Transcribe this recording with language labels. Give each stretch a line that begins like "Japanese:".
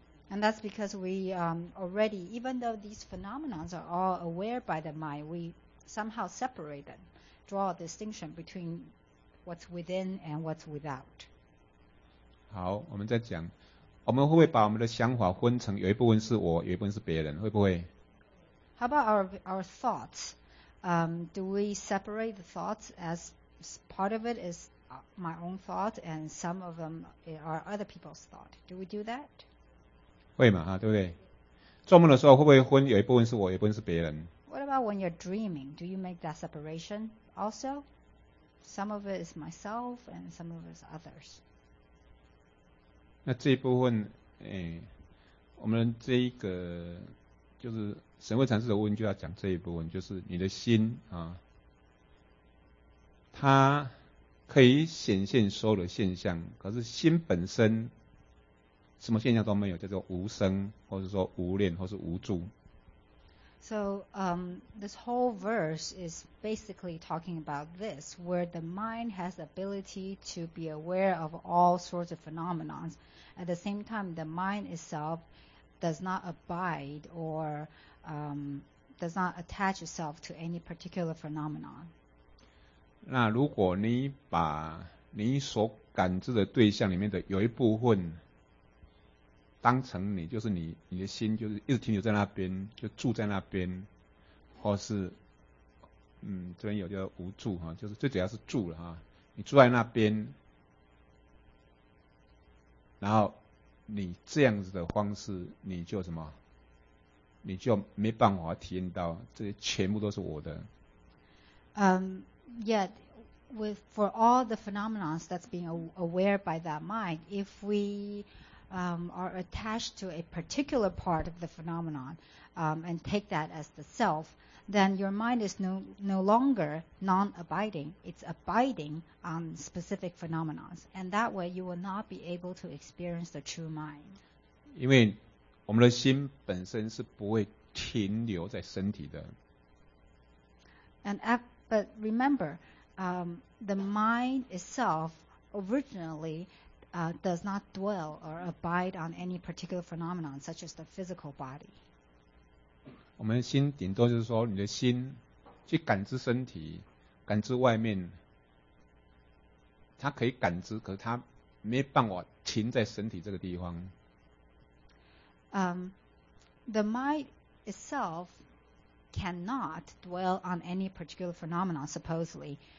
English: ？And that's because we already, even though these phenomena are all aware by the mind, we somehow separate them, draw a distinction between what's within and what's without.
Chinese: 好，我们再讲，我们会不会把我们的想法分成有一部分是我，有一部分是别人，会不会
English: ？How about our thoughts? Do we separate the thoughts as part of it is my own thought and some of them are other people's thought. Do we do that?
Chinese: 会嘛，对不对？做梦的时候会不会分有一部分是我，有一部分是别人？
English: What about when you're dreaming? Do you make that separation also? Some of it is myself and some of it is others.
Chinese: 那这一部分，我们这一个就是神会禅师的问就要讲这一部分，就是你的心啊，它可以显现所有的现象，可是心本身什么现象都没有，叫做无声，或者说无念，或是无助。
English: So this whole verse is basically talking about this, where the mind has the ability to be aware of all sorts of phenomena. At the same time, the mind itself does not abide or does not attach itself to any particular phenomenon.
Chinese: 那如果你把你所感知的对象里面的有一部分当成你，就是你的心就是一直停留在那边，就住在那边，或是这边有叫无住哈，就是最主要是住了哈，你住在那边，然后你这样子的方式，你就什么，你就没办法体验到这些全部都是我的。
English: Yet with for all the phenomena that's being aware by that mind, if we are attached to a particular part of the phenomenon and take that as the self, then your mind is no longer non-abiding. It's abiding on specific phenomena. And that way, you will not be able to experience the true mind.
Chinese: 因为我们的心本身是不会停留在身体的。
English: But remember, the mind itself originally does not dwell or abide on any particular phenomenon, such as the physical body.
Chinese: 我们的心顶多就是说，你的心去感知身体，感知外面，它可以感知，可是它没办法停在身体这个地方。
English: The mind itself cannot dwell on any particular phenomenon, supposedly.